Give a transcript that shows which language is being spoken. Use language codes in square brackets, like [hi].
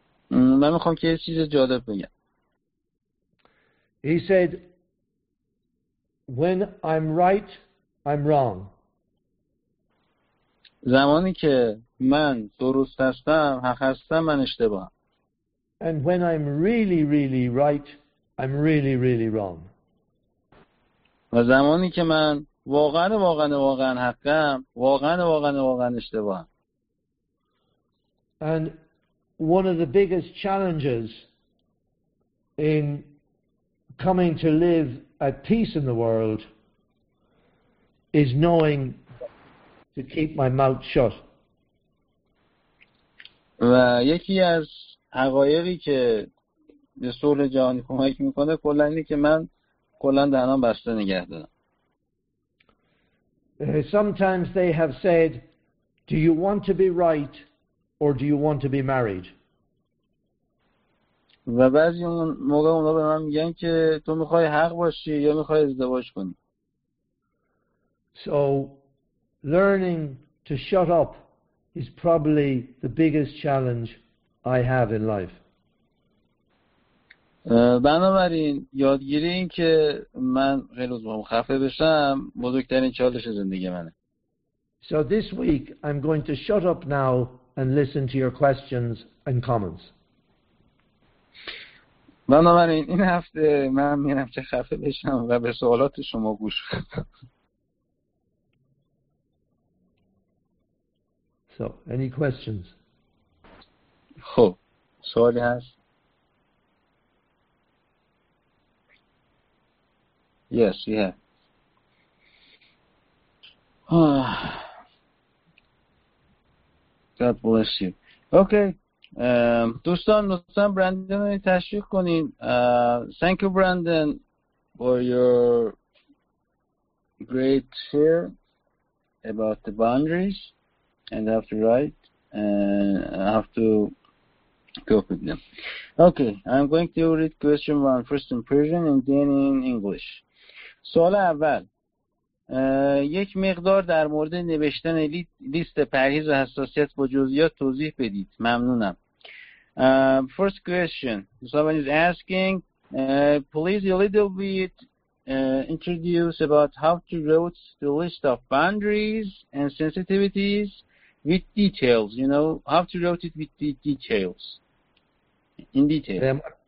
[fa] من میخوام که یه چیز جالب بگم. [en] He said, when I'm right, I'm wrong. [fa] زمانی که من درست هستم، حق هستم، من اشتباهم. [en] And when I'm really, really right, I'm really, really wrong. [fa] و زمانی که من واقعا واقعا واقعا حقم، واقعا واقعا واقعا اشتباهم. [en] And one of the biggest challenges in coming to live at peace in the world is knowing to keep my mouth shut. [fa] و یکی از حقایقی که به صلح جهانی کمک میکنه کلا اینه که من کلا دهنم بسته نگه دارم. [en] Sometimes they have said Do you want to be right or do you want to be married? [fa] و بعضی اون موقع اونا به من میگن که تو میخوای حق باشی یا میخوای ازدواج کنی. [en] So learning to shut up is probably the biggest challenge I have in life. [fa] بنابراین یادگیری این که من خیلی از باهم خفه بشم بزرگترین چالش زندگی منه. [en] So this week I'm going to shut up now and listen to your questions and comments. [fa] بنابراین این هفته من میرم که خفه بشم و به سوالات شما گوش کنم. [en] So, any questions? [fa] خب، سوالی هست؟ [en] Yes, yeah. God bless you. Okay. [fa] دوستان لطفاً برندن رو تشویق کنین. [en] Thank you Brandon for your great share about the boundaries and how to write and how to cope with them. Okay, I'm going to read question one first in Persian and then in English. [fa] سوال اول، یک مقدار در مورد نوشتن لیست پرهیز و حساسیت با جزئیات توضیح بدید. ممنونم. [en] First question, someone is asking, please a little bit introduce about how to write the list of boundaries and sensitivities with details, you know, how to write it with the details, in detail.